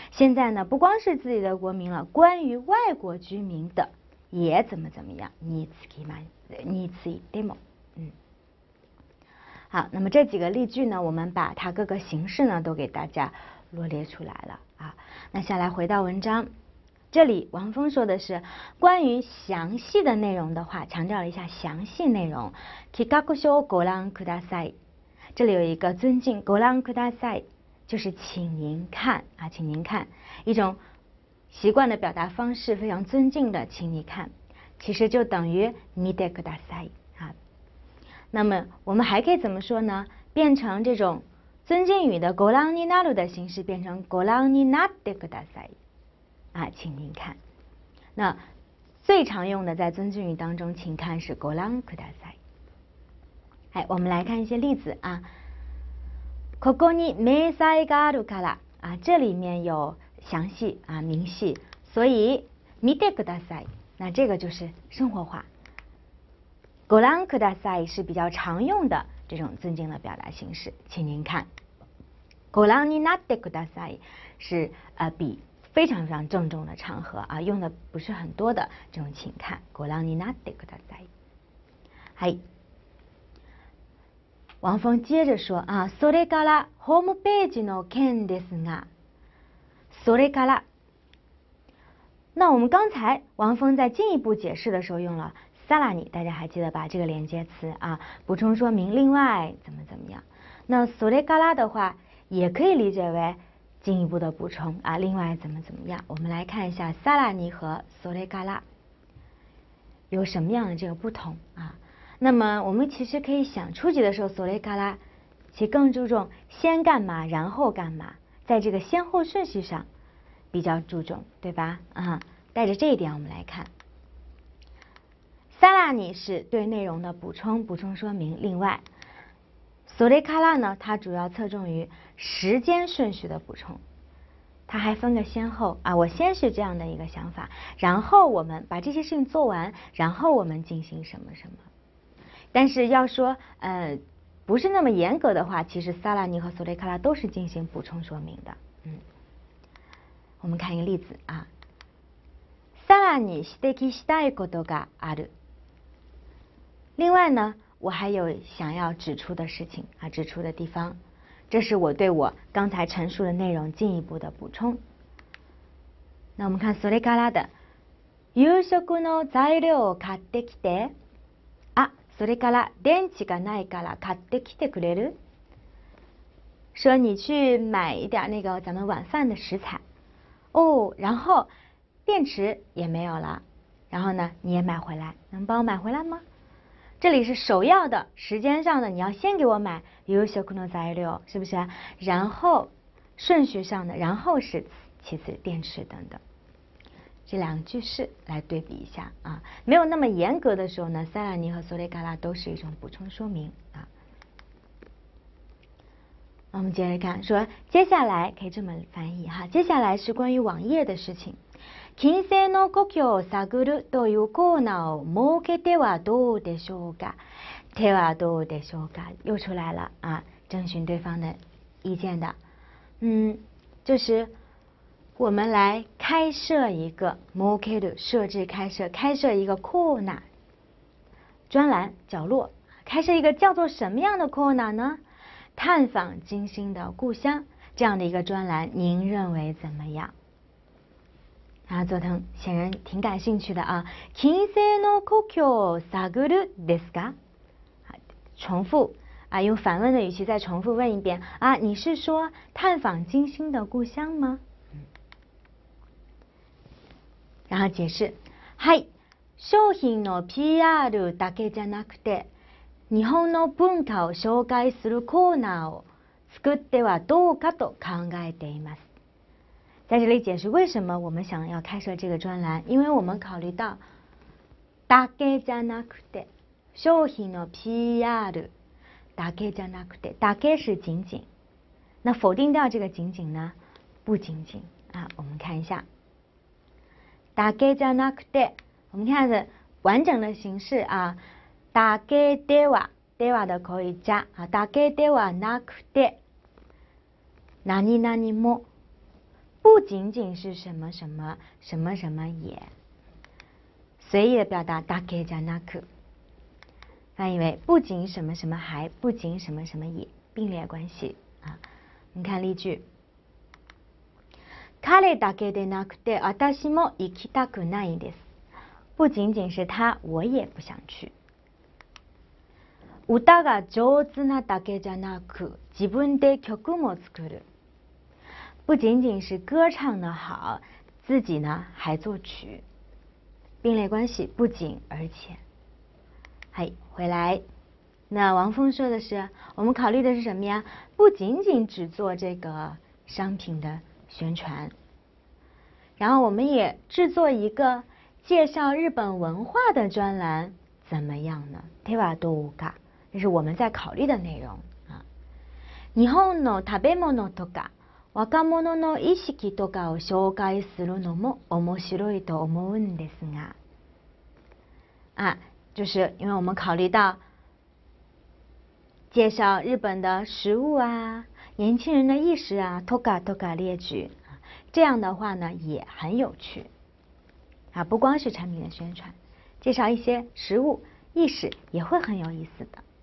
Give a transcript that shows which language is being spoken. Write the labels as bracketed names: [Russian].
[Chinese] 现在呢，不光是自己的国民了，关于外国居民的也怎么怎么样， [Japanese] につきでも。 [Chinese] 好，那么这几个例句呢，我们把它各个形式呢都给大家罗列出来了啊。那下来回到文章。这里王峰说的是关于详细的内容的话，强调了一下详细内容。 [Japanese] 企画書をご覧ください。 [Chinese] 这里有一个尊敬，ご覧ください，就是请您看啊，请您看，一种习惯的表达方式，非常尊敬的，请你看，其实就等于見てください啊。那么我们还可以怎么说呢？变成这种尊敬语的ご覧になる的形式，变成ご覧になってください。啊，请您看。那最常用的在尊敬语当中，请看是ご覧ください。哎，我们来看一些例子啊。 [Japanese] ここに明細があるから [Chinese] 啊，这里面有详细啊明细，所以 [Japanese] 見てください。 [Chinese] 那这个就是生活化。ご覧ください是比较常用的这种尊敬的表达形式，请您看。ご覧になってください是比。非常非常郑重的场合啊，用的不是很多的这种请看，ご覧になってください。 [Japanese] はい。 [Chinese] 王峰接着说啊， [Japanese] それからホームページの件ですが、それから。 [Chinese] 那我们刚才王峰在进一步解释的时候用了さらに，大家还记得吧？这个连接词啊，补充说明另外怎么怎么样。那それから的话，也可以理解为。进一步的补充啊，另外怎么怎么样，我们来看一下さらに和それから有什么样的这个不同啊。那么我们其实可以想，初级的时候それから其更注重先干嘛然后干嘛，在这个先后顺序上比较注重，对吧啊。带着这一点我们来看，さらに是对内容的补充，补充说明，另外それから呢，它主要侧重于时间顺序的补充，它还分个先后啊。我先是这样的一个想法，然后我们把这些事情做完，然后我们进行什么什么。但是要说不是那么严格的话，其实さらに和それから都是进行补充说明的。我们看一个例子啊。 [Japanese] さらに指摘したいことがある。 [Chinese] 另外呢。我还有想要指出的事情啊，指出的地方，这是我对我刚才陈述的内容进一步的补充。那我们看 [Japanese] それから的夕食の材料を買ってきて。啊，それから電池がないから買ってきてくれる？ [Chinese] 说你去买一点那个咱们晚饭的食材。哦，然后电池也没有了，然后呢，你也买回来，能帮我买回来吗？这里是首要的，时间上的，你要先给我买夕食の材料，是不是？然后顺序上的，然后是其次电池等等，这两句式来对比一下啊。没有那么严格的时候呢，さらに和それから都是一种补充说明啊。我们接着看，说接下来可以这么翻译哈，接下来是关于网页的事情。 [Japanese] 金星の故郷を探るというコーナーを設けてはどうでしょうか？手はどうでしょうか？ [Chinese] 又出来了啊，征询对方的意见的。就是我们来开设一个設ける，设置开设，开设一个コーナー，专栏角落，开设一个叫做什么样的コーナー呢？探访金星的故乡这样的一个专栏，您认为怎么样？啊，佐藤显然挺感兴趣的啊。金星の故郷を探るですか？重复啊，用反问的语气再重复问一遍啊，你是说探访金星的故乡吗？然后解释， [Japanese] はい、商品の PR だけじゃなくて、日本の文化を紹介するコーナーを作ってはどうかと考えています。 [Chinese] 在这里解释为什么我们想要开设这个专栏，因为我们考虑到だけじゃなくて、 [Japanese] 商品の PR だけじゃなくて、 [Chinese] だけ是仅仅，那否定掉这个仅仅呢？不仅仅啊，我们看一下。だけじゃなくて，我们看的完整的形式啊。だけでは、では的口语加啊。だけではなくて、何何も，不仅仅是什么什么什么什么也。随意的表达だけじゃなく，翻译为不仅什么什么还，不仅什么什么也，并列关系啊。你看例句。 [Japanese] 彼だけでなくて、私も行きたくないです。 [Chinese] 不仅仅是他，我也不想去。 [Japanese] 歌が上手なだけじゃなく、自分で曲も作る。 [Chinese] 不仅仅是歌唱的好，自己呢还作曲。并列关系，不仅而且。嗨，回来。那王峰说的是，我们考虑的是什么呀？不仅仅只做这个商品的宣传，然后我们也制作一个介绍日本文化的专栏，怎么样呢？对吧？どうか，这是我们在考虑的内容啊。 [Japanese] 日本の食べ物とか若者の意識とかを紹介するのも面白いと思うんですが， [Chinese] 啊，就是因为我们考虑到介绍日本的食物啊。年轻人的意识啊 ，toga toga 列举，这样的话呢也很有趣，啊，不光是产品的宣传，介绍一些食物意识也会很有意思的。